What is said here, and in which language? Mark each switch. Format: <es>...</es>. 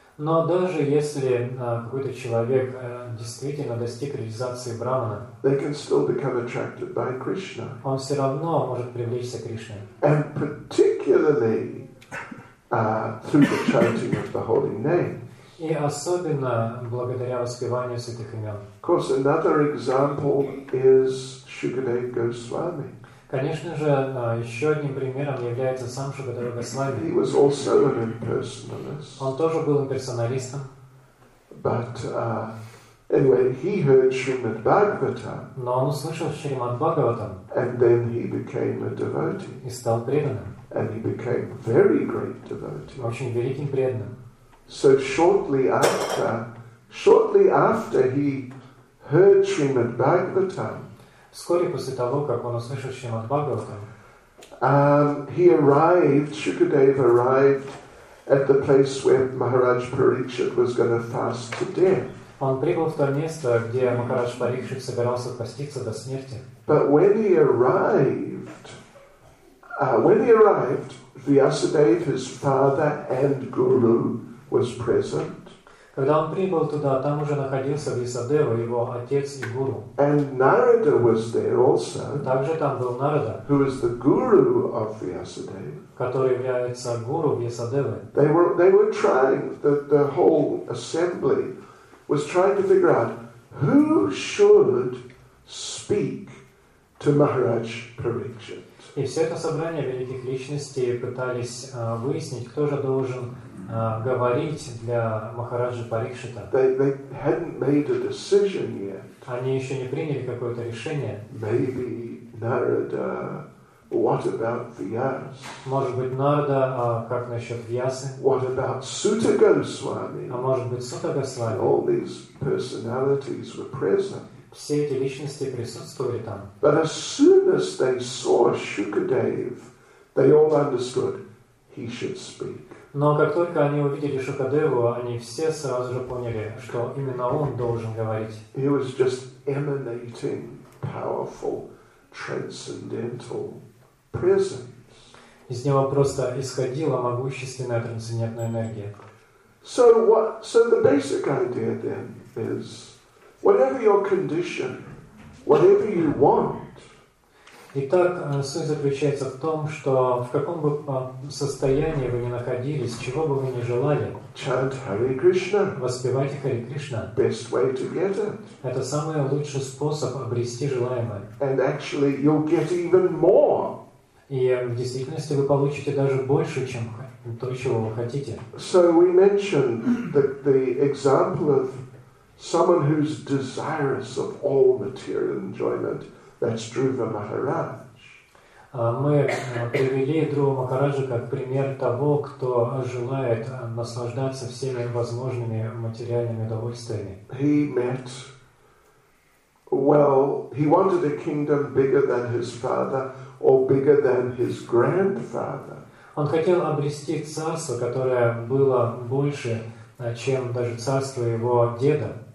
<ru>Но даже если какой-то человек действительно достиг реализации Брахмана,</ru> <en>they can still become attracted by Krishna.</en> <ru>Он все равно может привлечься к Кришне.</ru> <en>And particularly through the chanting of the holy name.</en> <ru>И особенно благодаря воспеванию святых имен.</ru> <en>Of course, another example is Shukadev Goswami.</en> <ru>Конечно же, еще одним примером является сам Шукадев Госвами.</ru> <en>He was also an impersonalist.</en> <ru>Он тоже был имперсоналистом.</ru> <en>But anyway, he heard Shrimad Bhagavatam.</en> <ru>Но он услышал Шримад Бхагаватам.</ru> <en>And then he became a devotee.</en> <ru>И стал преданным.</ru> <en>And he became very great devotee.</en> <ru>Очень великим преданным.</ru> <en>So shortly after he heard Shrimad Bhagavatam.</en> <ru>Вскоре после того, как он услышал Шримад Бхагаватам,</ru> <en>Shukadev arrived at the place where Maharaj Parikshit was going to fast to death.</en> <ru>Он прибыл в то место, где Махарадж Парикшит собирался поститься до смерти.</ru> <en>But when he arrived, Vyasadev, his father and guru, was present.</en> <ru>Когда он прибыл туда, там уже находился Висадева, его отец и гуру.</ru> <en>And Narada was there also.</en> <ru>Также там был Нарада.</ru> <en>Who is the guru of Vyasadeva?</en> <ru>Который является гуру Висадевы.</ru> <en>They were trying. The whole assembly was trying to figure out who should speak to Maharaj Parikshit.</en> <ru>И все это собрание великих личностей пытались выяснить, кто же должен говорить для Махараджи Парикшита.</ru> <en>They hadn't made a decision yet.</en> <ru>Они еще не приняли какое-то решение.</ru> <en>Maybe Narada, what about Vyas?</en> <ru>Может быть, Нарада, а как насчет Вьясы?</ru> <en>What about Сута Госвами?</en> <ru>А может быть, Сута Госвами?</ru> <en>All these personalities were present.</en> <ru>Все эти личности присутствовали там.</ru> <en>But as soon as they saw Shukadev, they all understood he should speak.</en> <ru>Но как только они увидели Шукадеву, они все сразу же поняли, что именно он должен говорить.</ru> <en>He was just emanating powerful, transcendental presence.</en> <ru>Из него просто исходила могущественная трансцендентная энергия.</ru> <en>So what? So the basic idea then is, whatever your condition, whatever you want.</en> <ru>Итак, суть заключается в том, что в каком бы состоянии вы ни находились, чего бы вы ни желали,</ru> <en>chant Hare Krishna.</en> <ru>Воспевайте Хари Кришна.</ru> <en>Best way to get it.</en> <ru>Это самый лучший способ обрести желаемое.</ru> <en>And actually you'll get even more.</en> <ru>И в действительности вы получите даже больше, чем то, чего вы хотите.</ru> <en>So we mentioned the example of someone who's desirous of all material enjoyment. That's Dhruva Maharaj.</en> <ru>Мы привели Друва Махараджа как пример того, кто желает наслаждаться всеми возможными материальными удовольствиями.</ru> <en>He met, well, he wanted a kingdom bigger than his father or bigger than his grandfather.</en> <ru>Он хотел обрести царство, которое было больше, чем даже царство его деда.</ru>